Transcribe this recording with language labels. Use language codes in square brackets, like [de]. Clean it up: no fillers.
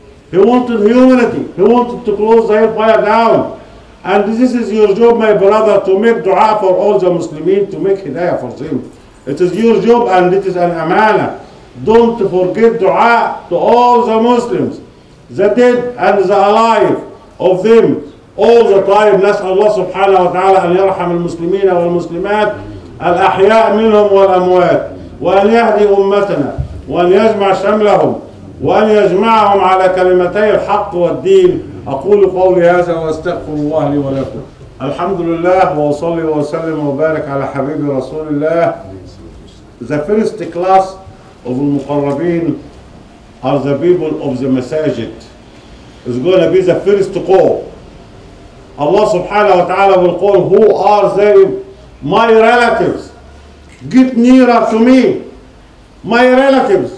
[en] He wanted humanity. He wanted to close the empire down. And this is your job, my brother, to make dua for all the Muslims, to make hidayah for them. It is your job and it is an amana. Don't forget dua to all the Muslims, the dead and the alive of them. All the time, [ar] نسأل الله سبحانه وتعالى أن يرحم المسلمين والمسلمات الأحياء منهم والأموات وأن يهدي أمتنا وأن يجمع شملهم وأن يجمعهم على كلمتي الحق والدين. أقول قولي هذا وأستغفر الله لي ولكم. الحمد لله وأصلي وأسلم وبارك على حبيب رسول الله. [en] The first class of المقربين are the people of the masajid. It's going to be the first call. Allah subhanahu wa ta'ala will call, who are they? My relatives. Get nearer to me. My relatives.